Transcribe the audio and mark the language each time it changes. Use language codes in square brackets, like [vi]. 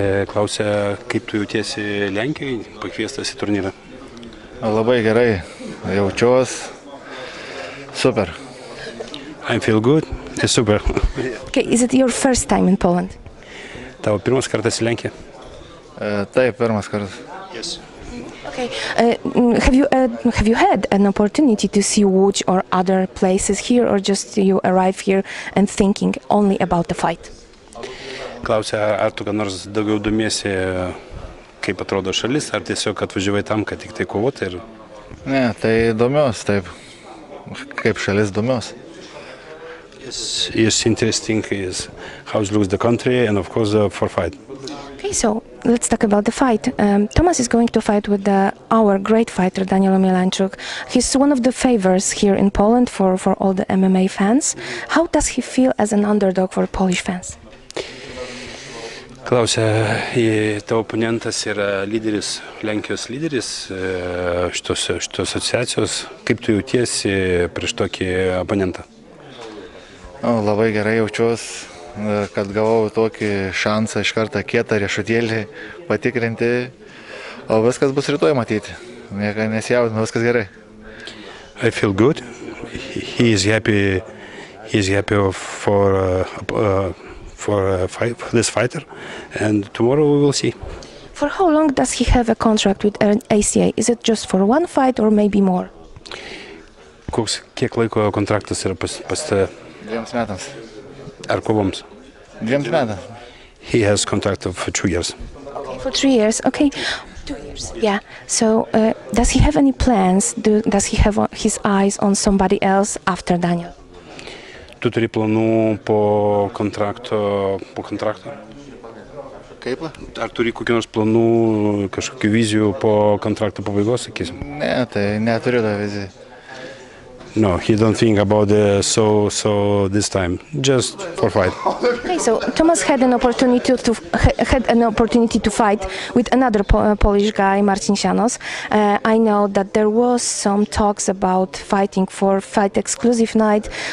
[lt] Klausia, kaip tu jautiesi Lenkijoje, pakviestas į turnyrą? Labai gerai, jaučiuos, super. [en] I feel good, super. Okay, is it your first time in Poland? [lt] Tavo pirmas kartas į Lenkiją? Taip, pirmas kartas. [en] Yes. Okay, have you had an opportunity to see Łódź or other places here, or just you arrive here and thinking only about the fight? [lt] Klausia, ar tu ką nors daugiau domiesi, kaip atrodo šalis, ar tiesiog atvažiavai tam, kad tik tai kovoti ir... Ne, tai domios, taip. Kaip šalis domios. [en] It's interesting is how it looks the country and of course for fight. Okay, so let's talk about the fight. Tomasz is going to fight with our great fighter Daniel Omielańczuk. He's one of the favorites here in Poland for all the MMA fans. How does he feel as an underdog for Polish fans? [lt] Klausia, tavo oponentas yra lyderis, Lenkijos lyderis šitos asociacijos. Kaip tu jautiesi prieš tokį oponentą? Labai gerai jaučiuos, kad gavau tokį šansą iš karto kietą riešutėlį patikrinti, o viskas bus rytoj matyti. Nieko nesijaudinu, viskas gerai. [en] I feel good. He is happy for this fighter, and tomorrow we will see. For how long does he have a contract with ACA? Is it just for one fight or maybe more? [lt] Koks, kiek laiko kontraktas yra pas te? Dviems metams. Ar kovoms? Dviems metams. [en] He has contract of 2 years. Okay, for 3 years, okay. 2 years. Yeah, so does he have any plans? Does he have his eyes on somebody else after Daniel? [lt] Tu turi planų po kontrakto, po kontrakto? Kaip? Ar turi kokių nors planų, kažkokių vizijų po kontrakto pabaigos, sakysim? Ne, tai neturiu tą viziją. [en] No, he don't think about so this time. Just for fight. Okay, so Tomasz had an opportunity to fight with another Polish guy, Marcin Sianos. I know that there was some talks about fighting for fight exclusive night.